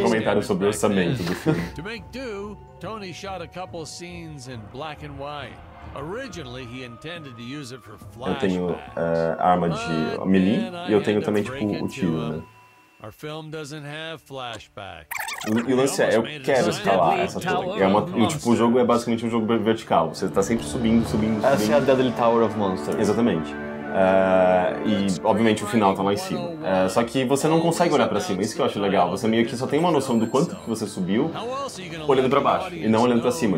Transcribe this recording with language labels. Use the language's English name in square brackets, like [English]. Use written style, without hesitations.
[Portuguese] um comentário sobre o orçamento do filme. [English] To make do, Tony shot a couple scenes in black and white. Originally he intended to use it for flashbacks. [Portuguese] Eu tenho arma de melee e eu tenho também tipo o tiro, né? [English] Our film doesn't have flashbacks. [Portuguese] E o lance é, eu quero escalar essa torre. O jogo é basicamente um jogo vertical. Você tá sempre subindo. Essa é a Deadly Tower of Monsters. Exatamente. E obviamente o final tá lá em cima. Só que você não consegue olhar pra cima, isso que eu acho legal. Você meio que só tem uma noção do quanto que você subiu olhando pra baixo, e não olhando pra cima.